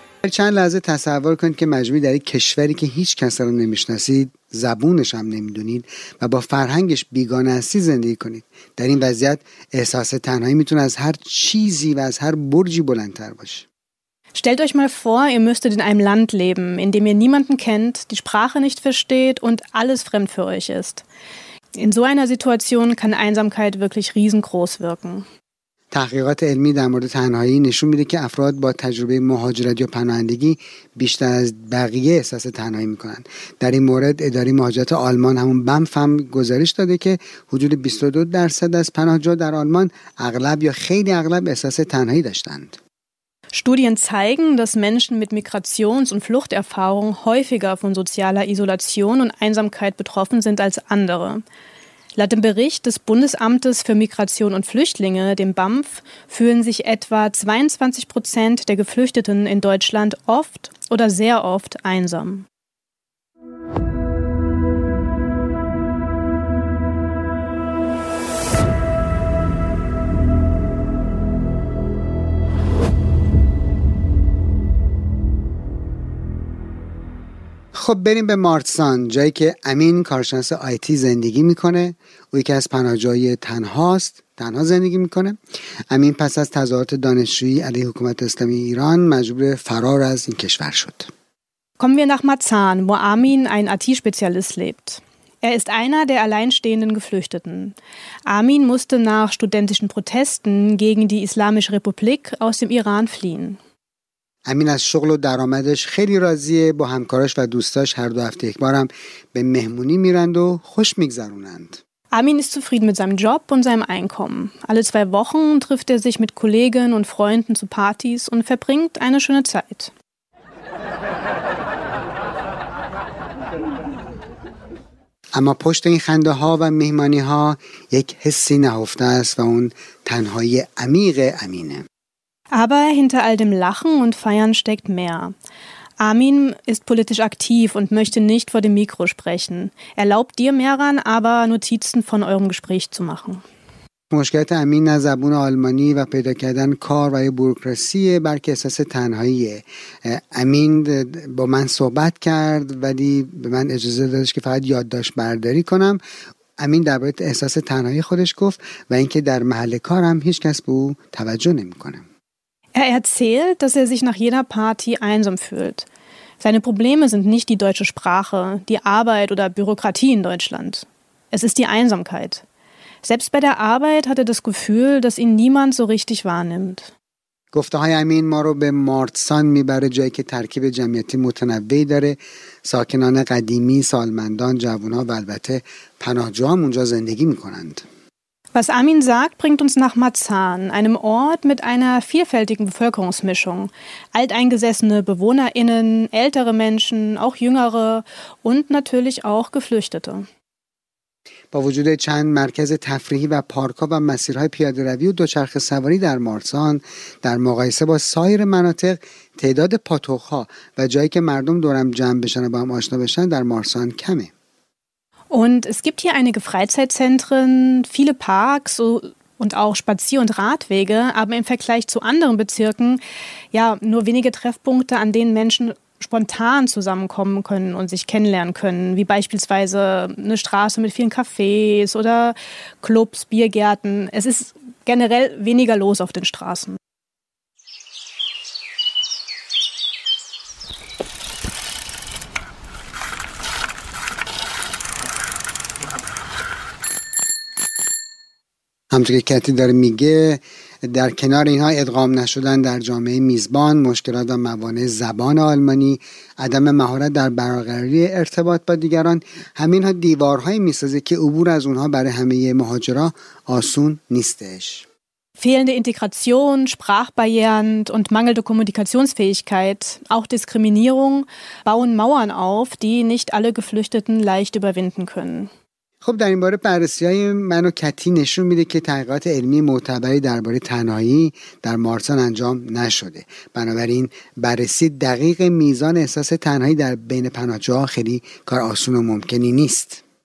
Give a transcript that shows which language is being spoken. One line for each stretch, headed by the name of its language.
Persian: چند لحظه تصور کنید که مجموعی در یک کشوری که هیچ کس را نمیشناسید، زبونش هم نمیدونید و با فرهنگش بیگانه هستی زندگی کنید. در این وضعیت احساس تنهایی میتونه از هر چیزی و از هر برجی بلندتر باشه.
German: Stellt euch mal vor, ihr müsstet in einem Land leben, in dem ihr niemanden kennt, die Sprache nicht versteht und alles fremd für euch ist. In so einer Situation kann Einsamkeit wirklich riesengroß wirken.
Persian: تحقیقات علمی در مورد تنهایی نشون میده که افراد با تجربه مهاجرت یا پناهندگی بیشتر از بقیه احساس تنهایی میکنن. در این مورد اداره مهاجرت آلمان همون بمف هم گزارش داده که حدود 22% از پناهجوها در آلمان اغلب یا خیلی اغلب احساس تنهایی داشتند.
German: Studien zeigen, dass Menschen mit Migrations- und Fluchterfahrung häufiger von sozialer Isolation und Einsamkeit betroffen sind als andere. Laut dem Bericht des Bundesamtes für Migration und Flüchtlinge, dem BAMF, fühlen sich etwa 22% der Geflüchteten in Deutschland oft oder sehr oft einsam.
Persian: خب بریم به مارتسان، جایی که امین کارشناس آیتی زندگی میکنه. او یکی از پناهجوهای تنهاست، تنها زندگی میکنه. امین پس از تظاهرات دانشجویی علیه حکومت اسلامی ایران مجبور فرار از این کشور شد.
German: Kommen wir nach Marzahn, wo Amin, ein IT-Spezialist, lebt. Er ist einer der alleinstehenden Geflüchteten. Amin musste nach studentischen Protesten gegen die Islamische Republik aus dem Iran fliehen.
Persian: امین از شغل و درآمدش خیلی راضیه. با همکاراش و دوستاش هر دو هفته یک بارم به مهمونی میرند و خوش میگذرونند.
German: امین ist zufrieden mit seinem Job und seinem Einkommen. Alle zwei Wochen trifft er sich mit Kollegen und Freunden zu Partys und verbringt eine schöne Zeit.
Persian: اما پشت این خنده ها و مهمانی ها یک حسی نهفته است و اون تنهایی عمیق امینه.
German: Aber hinter all dem Lachen und Feiern steckt mehr. Amin ist politisch aktiv und möchte nicht vor dem Mikro sprechen. Erlaubt dir, Mehran, aber Notizen von eurem Gespräch zu machen.
Persian: مشکلات امین نه زبون آلمانی و پیدا کردن کار و یا بوروکراسیه، بلکه احساس تنهاییه. امین با من صحبت کرد ولی به من اجازه دادش که فقط یادداشت برداری کنم. امین در باید احساس تنهایی خودش گفت و اینکه در محل کارم هیچ کس به او توجه نمی کنه.
German: Er erzählt, dass er sich nach jeder Party einsam fühlt. Seine Probleme sind nicht die deutsche Sprache, die Arbeit oder Bürokratie in Deutschland. Es ist die Einsamkeit. Selbst bei der Arbeit hat er das Gefühl, dass ihn niemand so richtig wahrnimmt.
Persian: گفته‌های امین ما رو به مارتسان میبره، جایی که ترکیب جمعیتی متنوعی داره. ساکنان قدیمی، سالمندان، جوان‌ها و البته پناهجوها هم اونجا زندگی می‌کنند.
German: Was Amin sagt, bringt uns nach Marzahn, einem Ort mit einer vielfältigen Bevölkerungsmischung. Alteingesessene BewohnerInnen, ältere Menschen, auch Jüngere und natürlich auch Geflüchtete.
Persian: با وجود چند مرکز تفریحی و پارک‌ها و مسیرهای پیاده‌روی و دوچرخه‌سواری در مارتسان، در مقایسه با سایر مناطق تعداد پاتوق‌ها و جایی که مردم دورم جمع بشن و با هم آشنا بشن در مارتسان کمه.
German: Und es gibt hier einige Freizeitzentren, viele Parks und auch Spazier- und Radwege, aber im Vergleich zu anderen Bezirken, ja, nur wenige Treffpunkte, an denen Menschen spontan zusammenkommen können und sich kennenlernen können, wie beispielsweise eine Straße mit vielen Cafés oder Clubs, Biergärten. Es ist generell weniger los auf den Straßen.
Persian: همچنین که کتی داره میگه در کنار اینها ادغام نشدن در جامعه میزبان، مشکلات و موانع زبان آلمانی، عدم مهارت در برقراری ارتباط با دیگران، همین ها دیوارهایی میسازه که عبور از اونها برای همه مهاجرا آسون نیستش.
German: Fehlende Integration, Sprachbarrieren und mangelnde Kommunikationsfähigkeit, auch Diskriminierung bauen Mauern auf, die nicht alle Geflüchteten leicht überwinden können.
Persian: خب در این باره بررسی‌های من و کتی نشون میده که تحقیقات علمی معتبری درباره تنهایی در مارسان انجام نشده. بنابراین بررسی دقیق میزان احساس تنهایی در بین پناهجوها خیلی کار آسون و ممکنی نیست.